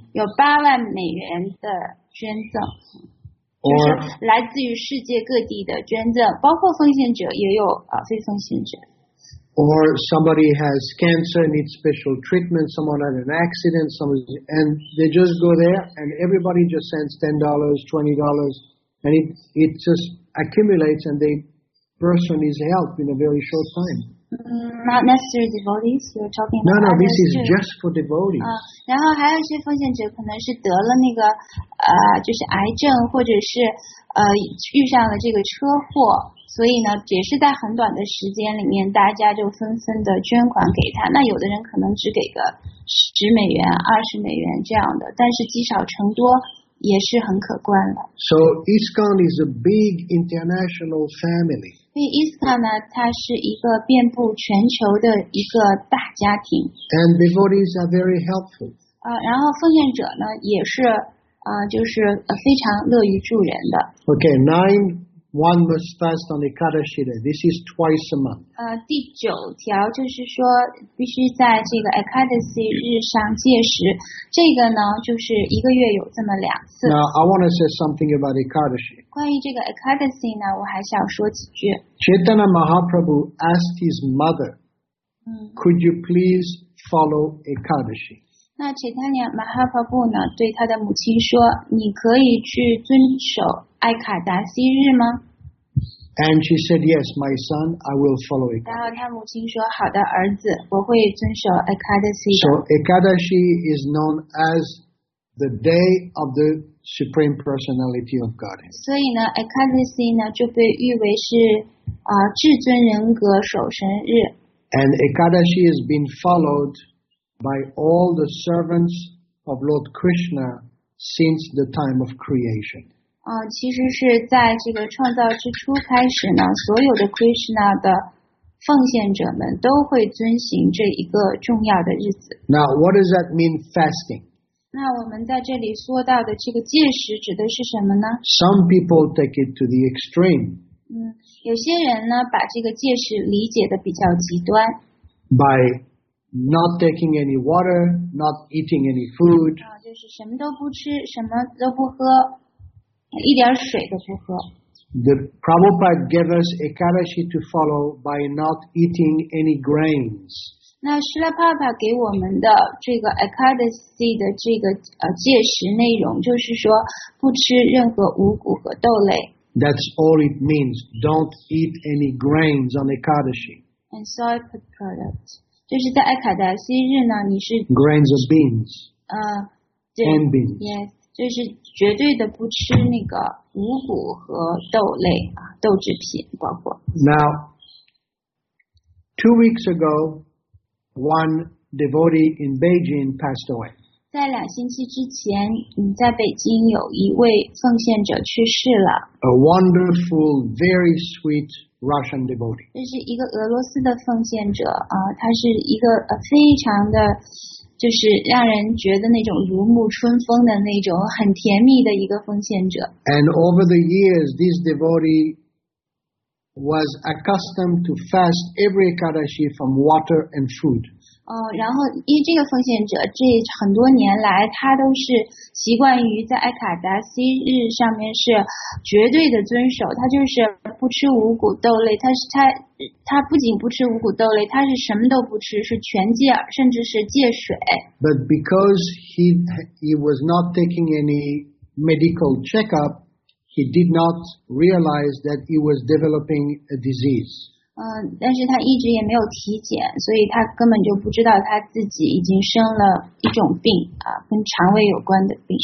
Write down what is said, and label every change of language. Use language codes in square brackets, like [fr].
[zh] 有$80,000的捐赠，就是来自于世界各地的捐赠，包括奉献者也有非奉献者。 [en] Or somebody has cancer, needs special treatment, someone had an accident, and they just go there and everybody just sends $10, $20, and it just accumulates and the person is helped in a very short time. Not necessarily devotees, you're talking about. No, this is just for devotees. [zh] 然后还有一些奉献者可能是得了那个就是癌症，或者是遇上了这个车祸。所以呢，也是在很短的时间里面，大家就纷纷的捐款给他。那有的人可能只给个$10、$20这样的，但是积少成多也是很可观的。 [en] So ISKCON is a big international family. [zh] 所以 ISKCON 呢，它是一个遍布全球的一个大家庭。 [en] And devotees are very helpful. [zh] 然后奉献者呢，也是就是非常乐于助人的。 [en] Okay, nine. One must fast on Ekadashi day. This is twice a month. [zh] 第九条就是说必须在这个 Ekadashi 日上戒食。这个呢就是一个月有这么两次。 [en] Now, I want to say something about Ekadashi. [zh] 关于这个 Ekadashi 呢，我还想说几句。 [en] Chaitanya Mahaprabhu asked his mother, could you please follow Ekadashi? [zh] 那 Chaitanya Mahaprabhu 呢对他的母亲说，你可以去遵守爱卡达西日吗？ [en] And she said, yes, my son, I will follow it. [zh] 然后他母亲说，好的，儿子，我会遵守 Ekadashi。 [en] So Ekadashi is known as the day of the Supreme Personality of Godhead. [zh] 所以呢 Ekadashi 呢就被誉为是至尊人格守神日。 [en] And Ekadashi has been followed by all the servants of Lord Krishna since the time of creation. [zh] 其实是在这个创造之初开始呢，所有的 Krishna 的奉献者们都会遵循这一个重要的日子。 [en] Now, what does that mean, fasting? [zh] 那我们在这里说到的这个戒食指的是什么呢？ [en] Some people take it to the extreme. [zh] 有些人呢，把这个戒食理解的比较极端。 [en] By not taking any water, not eating any food. [zh] 就是什么都不吃，什么都不喝。一点水都不喝。 [en] The Prabhupada gave us Ekadashi to follow by not eating any grains. [zh] 那 Srila Prabhupada 给我们的这个 Ekadashi 的这个戒食内容就是说不吃任何五谷和豆类。 [en] That's all it means. Don't eat any grains on Ekadashi. and soy products. [zh] 就是在爱卡达西日呢，你是 [en] grains of beans. And beans. [zh] Yes, 就是绝对的不吃那个五谷和豆类啊，豆制品包括。 [en] Now, 2 weeks ago, one devotee in Beijing passed away. [zh] 在两星期之前，你在北京有一位奉献者去世了。 [en] A wonderful, very sweet Russian devotee. [zh] 这是一个俄罗斯的奉献者啊，他是一个非常的。就是让人觉得那种如沐春风的那种很甜蜜的一个奉献者。 [en] And over the years, this devotee was accustomed to fast every Ekadashi from water and food. [zh] 哦，然后因为这个奉献者，这很多年来他都是习惯于在爱卡达西日上面是绝对的遵守，他就是不吃五谷豆类，他不仅不吃五谷豆类，他是什么都不吃，是全戒，甚至是戒水。 [en] But because he was not taking any medical checkup, he did not realize that he was developing a disease. [zh] 但是他一直也没有体检，所以他根本就不知道他自己已经生了一种病啊，跟肠胃有关的病。